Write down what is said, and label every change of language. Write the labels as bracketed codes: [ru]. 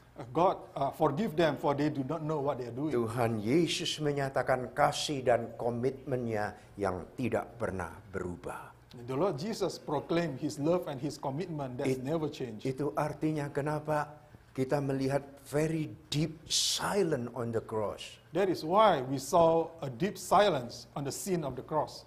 [en] God, forgive them for they do not know what they are doing. [id] Tuhan Yesus menyatakan kasih dan komitmennya yang tidak pernah berubah. [en] The Lord Jesus proclaimed his love and his commitment that never changed. [id] Itu artinya kenapa kita melihat [en] very deep silence on the cross. That is why we saw a deep silence on the scene of the cross.